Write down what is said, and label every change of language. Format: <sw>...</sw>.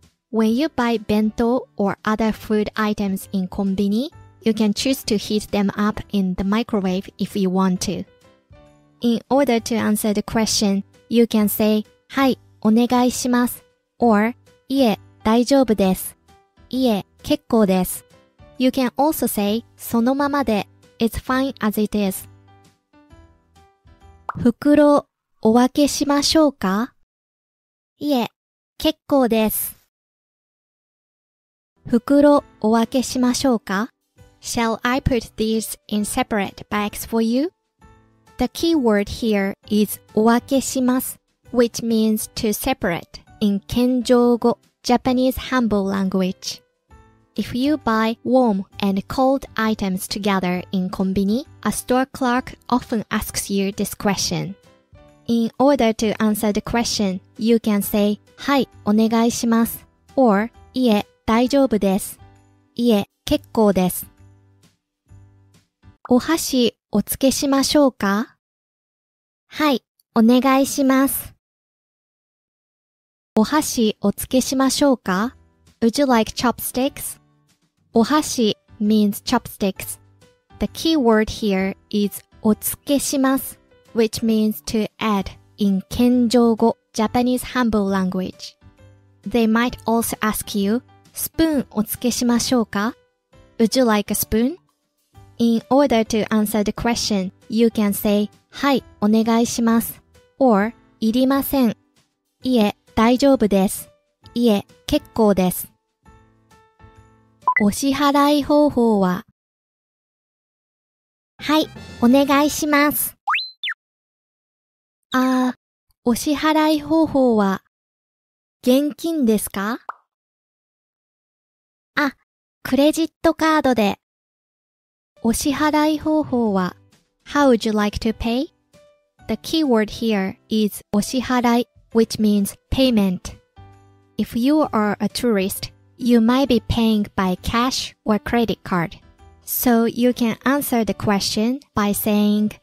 <en>When you buy bento or other food items in konbini, you can choose to heat them up in the microwave if you want to. In order to answer the question, you can say</en> <ja>はい、お願いします</ja> <en>or</en> <ja>いえ、大丈夫です。いえ、結構です。</ja> <en>You can also say,</en> <ja>そのままで、</ja> <en>it's fine as it is.</en> <ja>袋、お分けしましょうか？いえ、結構です。袋、お分けしましょうか？</ja> <en>Shall I put these in separate bags for you? The key word here is</en> <ja>お分けします、</ja> <en>which means to separate in 謙譲語、Japanese humble language. If you buy warm and cold items together in konbini, a store clerk often asks you this question. In order to answer the question, you can say,</en> <ja>はい、お願いします。</ja> <en>Or,</en> <ja>いえ、大丈夫です。いえ、結構です。お箸、お付けしましょうか？はい、お願いします。お箸、お付けしましょうか？</ja> <en>Would you like chopsticks? お箸 means chopsticks. The key word here is</en> <ja>お付けします</ja> <en>which means to add in 謙譲語 Japanese humble language. They might also ask you,</en> <ja>スプーンお付けしましょうか?</ja> <en>Would you like a spoon? In order to answer the question, you can say,</en> <ja>はい、お願いします</ja> <en>or</en> <ja>いりません。いえ、大丈夫です。いえ、結構です。お支払い方法は？はい、お願いします。ああ、お支払い方法は、現金ですか？あ、クレジットカードで。お支払い方法は、</ja> <en>How would you like to pay? The key word here is お支払い、which means payment. If you are a tourist,You might be paying by cash or credit card. So you can answer the question by saying</en>